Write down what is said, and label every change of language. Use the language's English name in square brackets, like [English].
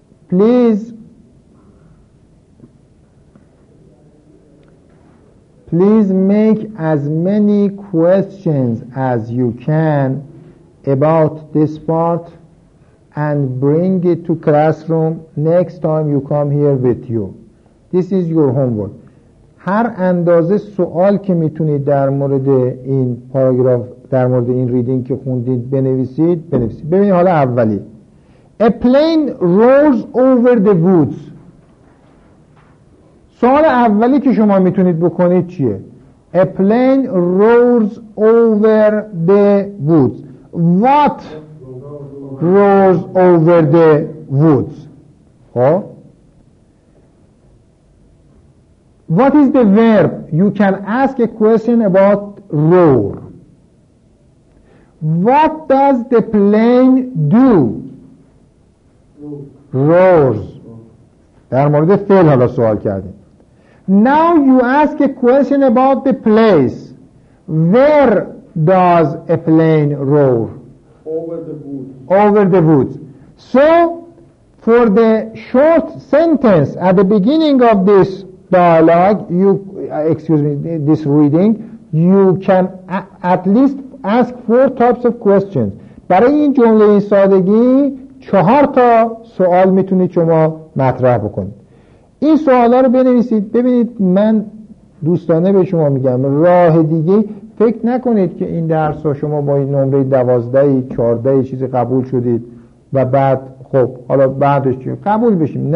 [English] Please make as many questions as you can about this part and bring it to classroom next time you come here with you. This is your homework. [Persian] هر اندازه سوال که میتونید در مورد این پاراگراف در مورد این ریدینگ که خوندید بنویسید. ببینید حالا اولی. [English] A plane roars over the woods. [Persian] سوال اولی که شما میتونید بکنید چیه؟ [English] A plane roars over the woods. What roars over the woods? What is the verb? You can ask a question about roar. What does the plane do? Roars. [Persian] در مورد فعل حالا سوال کردیم. [English] Now you ask a question about the place. Where does a plane roar? Over the woods. Over the woods. So, for the short sentence at the beginning of this dialogue, this reading, you can at least ask four types of questions. [Persian] برای این جمله سادگی چهار تا سوال میتونید شما مطرح بکنید. این سوالا رو بنویسید. ببینید من دوستانه به شما میگم راه دیگه فکر نکنید که این درس ها شما با این نمره 12-14 چیزی قبول شدید و بعد خب حالا بعدش چیه قبول بشیم.